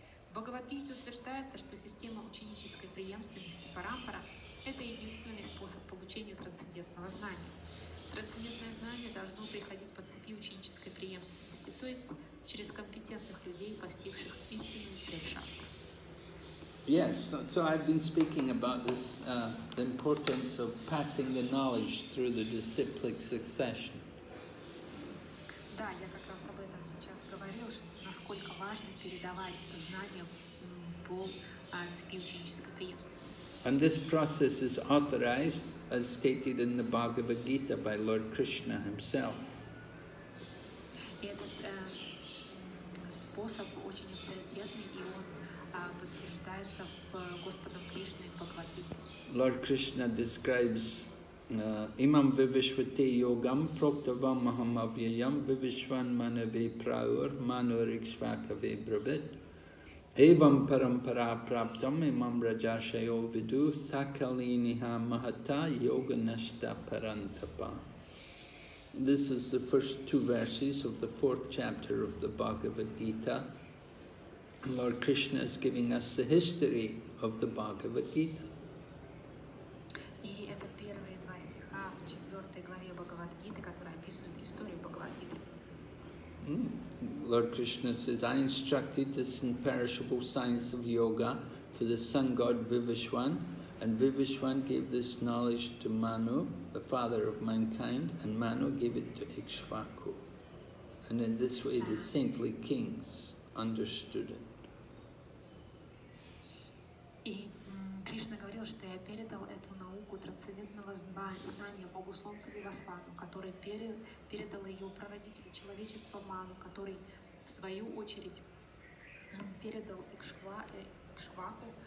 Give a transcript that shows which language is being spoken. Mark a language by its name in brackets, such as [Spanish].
[Russian] В Бхагавадгите утверждается, что система ученической преемственности парампара – это единственный способ получения трансцендентного знания. Трансцендентное знание должно приходить по цепи ученической преемственности, то есть через компетентных людей, постигших истинную цель шастры. [English] Yes, so I've been speaking about this, the importance of passing the knowledge through the disciplic succession. [Russian] Да, я как раз об этом сейчас говорил, что насколько важно передавать знания по цепи ученической преемственности. [English] And this process is authorized, as stated in the Bhagavad Gita by Lord Krishna himself. [Russian] И этот способ очень авторитетный, и он подтверждается в Господом Кришне по Бхагавад-гите. [English] Lord Krishna describes [Sanskrit] Imam Vivishvate Yogam Proktavam Mahamavyayam Vivishvan Manave Praur Manurikshvakave Bravit Evam Parampara Praptam Imam Rajashayo Vidu Thakaliniha Mahata Yoganashta Parantapa. [English] This is the first two verses of the fourth chapter of the Bhagavad Gita. Lord Krishna is giving us the history of the Bhagavad Gita. [Russian] И это первые два стиха в четвертой главе Бхагавад Гиты, которые описывают историю Бхагавад Гиты. [English] Lord Krishna says, I instructed this imperishable science of yoga to the sun god Vivishvan, and Vivishvan gave this knowledge to Manu, the father of mankind, and Manu gave it to Ikshvaku. And in this way the saintly kings understood it. [Russian] И Кришна говорил, что я передал эту науку трансцендентного знания Богу Солнца Вивасвану, который передал ее прародителю человечества Ману, который в свою очередь передал Икшваку,